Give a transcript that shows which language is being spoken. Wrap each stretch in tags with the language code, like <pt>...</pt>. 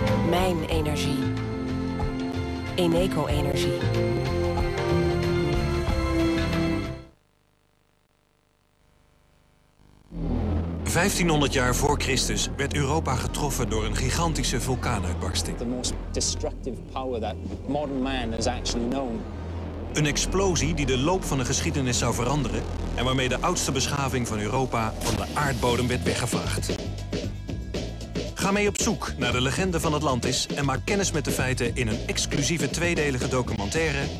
<nl>Mijn energie. Eneco Energy. ...1500 jaar voor Christus werd Europa getroffen door een gigantische vulkaanuitbarsting.</nl> <en>The most destructive power that modern man has actually known.</en> <nl>Een explosie die de loop van de geschiedenis zou veranderen... ...en waarmee de oudste beschaving van Europa van de aardbodem werd weggevaagd. Ga mee op zoek naar de legende van Atlantis... ...en maak kennis met de feiten in een exclusieve tweedelige documentaire...</nl>